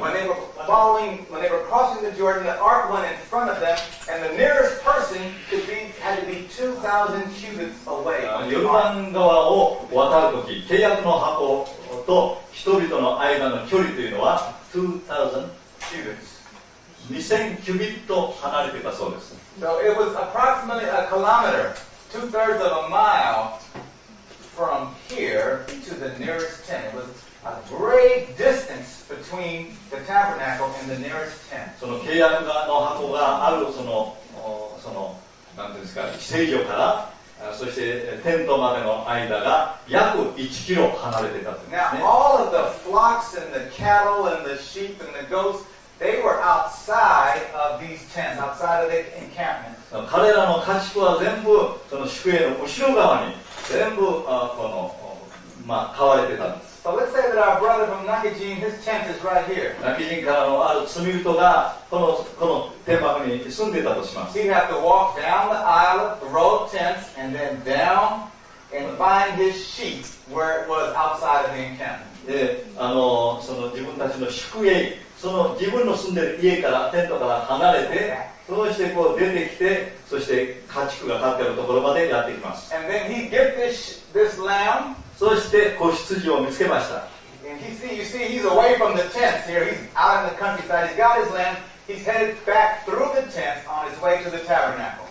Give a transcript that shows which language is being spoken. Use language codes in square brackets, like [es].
[en] When they were crossing the Jordan, the ark went in front of them, and the nearest person had to be 2,000 cubits away. [ja] ヨルダン川を渡るとき、契約の箱と人々の間の距離というのは2,000 [en] cubits. [ja] 2,000 キュビット離れてたそうです。 [en] So it was approximately a kilometer. 2/3 of a mile from here to the nearest tent. It was a great distance between the tabernacle and the nearest tent. [ja] その契約の箱があるその何ていうんですか、聖所からそしてテントまでの間が約1キロ離れてたんですね。 [en] Now all of the flocks and the cattle and the sheep and the goats, they were outside of these tents, outside of the encampment. [ja] 彼らの家畜は全部その宿営の後ろ側に全部飼われてたんです。 [en] So let's say that our brother from Nakajin, his tent is right here. [ja] Nakajin からのある罪人がこの天幕に住んでいたとします。 [en] He had to walk down the aisle of the road tents and then down and find his sheep where it was outside of the encampment. [ja] で、その自分たちの宿営、その自分の住んでる家からテントから離れて、そうしてこう出てきて、そして家畜が立っているところまでやってきます。 [en] And then he get this lamb. [ja] そして子羊を見つけました。 [en] And he see, you see, he's away from the tents here. He's out in the countryside. He's got his lamb. He's headed back through the tents on his way to the tabernacle.